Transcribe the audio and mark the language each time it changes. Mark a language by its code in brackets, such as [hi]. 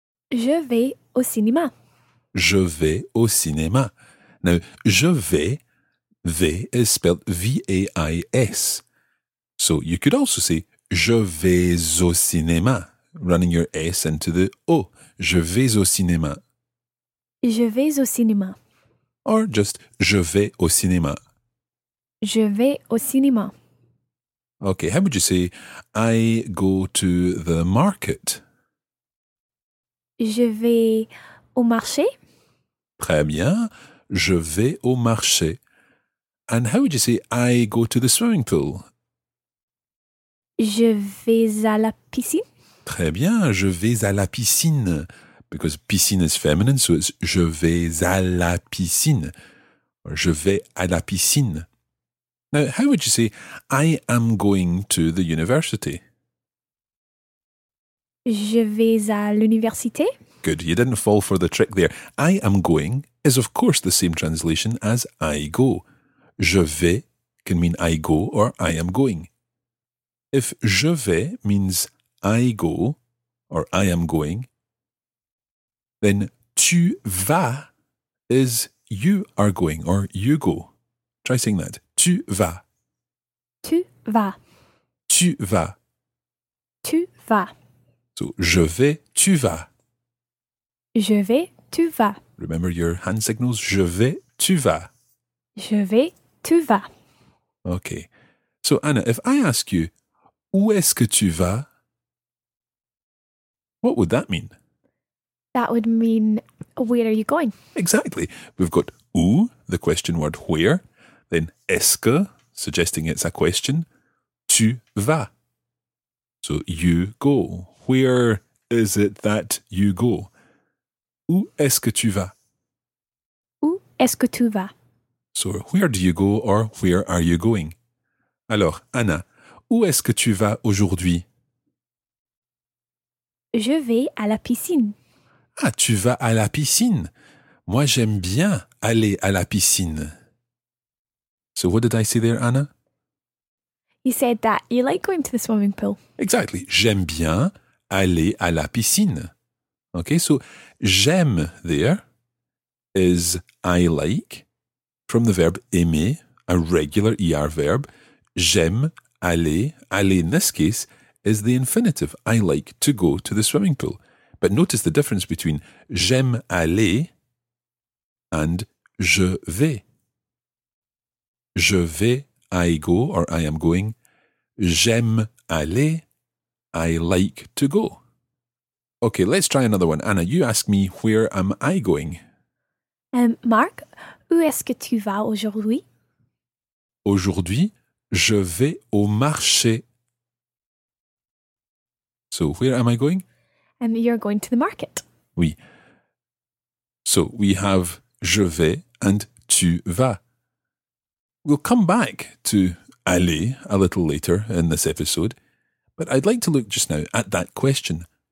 [fr] Je vais au cinéma. Je vais au cinéma. [en] Now, [fr] je vais, vais [en] is spelled V-A-I-S. So you could also say, [fr] je vais au cinéma, [en] running your S into the O. [fr] Je vais au cinéma. Je vais au cinéma. [en] Or just, [fr] je vais au cinéma. Je vais au cinéma. [en] Okay, how would you say, I go to the market? [fr] Je vais au marché. Très bien. Je vais au marché. [en] And how would you say, I go to the swimming pool? [fr] Je vais à la piscine. Très bien, je vais à la piscine. [en] Because piscine is feminine, so it's [fr] je vais à la piscine. [en] Or [fr] je vais à la piscine. [en] Now, how would you say I am going to the university? [fr] Je vais à l'université. [en] Good, you didn't fall for the trick there. I am going is, of course, the same translation as I go. Je vais can mean I go or I am going. If je vais means I go or I am going, then tu vas is you are going or you go. Try saying that. Tu vas. [fr] Tu vas. Tu vas. Tu vas. [en] So, [fr] je vais, tu vas. Je vais, tu vas. [en] Remember your hand signals. [fr] Je vais, tu vas. Je vais, tu vas. [en] Okay. So, Anna, if I ask you, [fr] où est-ce que tu vas? [en] What would that mean? That would mean, where are you going? Exactly. We've got où, the question word where. Then est-ce que, suggesting it's a question. [fr] Tu vas. [en] So you go. Where is it that you go? [fr] Où est-ce que tu vas? Où est-ce que tu vas? [en] So where do you go or where are you going? [fr] Alors, Anna, où est-ce que tu vas aujourd'hui? Je vais à la piscine. Ah, tu vas à la piscine. Moi, j'aime bien aller à la piscine. [en] So what did I say there, Anna? You said that you like going to the swimming pool. Exactly. [fr] J'aime bien aller à la piscine. [en] Okay, so j'aime there is I like from the verb aimer, a regular ER verb. [fr] J'aime aller. [en] Aller in this case is the infinitive. I like to go to the swimming pool. But notice the difference between j'aime aller and je vais. Je vais, I go, or I am going. J'aime aller, I like to go. Okay, let's try another one. Anna, you ask me, where am I going? [fr] Marc, où est-ce que tu vas aujourd'hui? Aujourd'hui, je vais au marché. [en] So, where am I going? You're going to the market. [fr] Oui. [en] So, we have je vais and tu vas. We'll come back to aller a little later in this episode, but I'd like to look just now at that question.